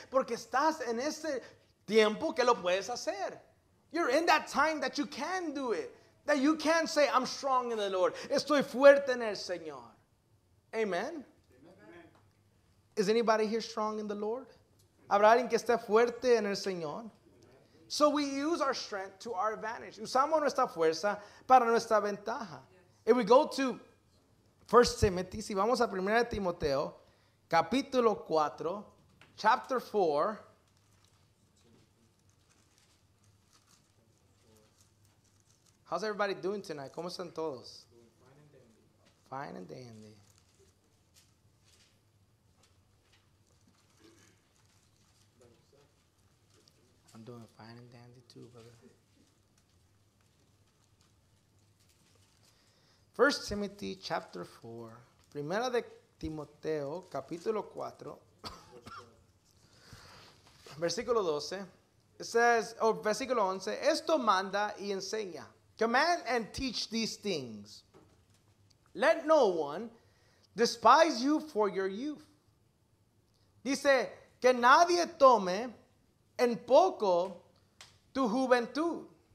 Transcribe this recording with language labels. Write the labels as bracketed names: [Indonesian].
[Spanish] Porque estás en ese tiempo que lo puedes hacer. [English] You're in that time that you can do it. That you can say, I'm strong in the Lord. [Spanish] Estoy fuerte en el Señor. Amen. [English] Amen. Is anybody here strong in the Lord? [Spanish] ¿Habrá alguien que esté fuerte en el Señor? [English] So we use our strength to our advantage. [Spanish] Usamos nuestra fuerza para nuestra ventaja. [English] Yes. If we go to 1 Timothy, [Spanish] si vamos a 1 Timoteo, capítulo 4, [English] chapter 4. How's everybody doing tonight? [Spanish] ¿Cómo están todos? [English] Fine and dandy. Fine and dandy. I'm doing fine and dandy too, brother. 1 Timothy chapter 4. [Spanish] Primera de Timoteo, capítulo 4. Versículo 12. [English] It says, [Spanish] versículo 11. Esto manda y enseña. [English] Command and teach these things. Let no one despise you for your youth. [Spanish] Dice, que nadie tome en poco tu juventud.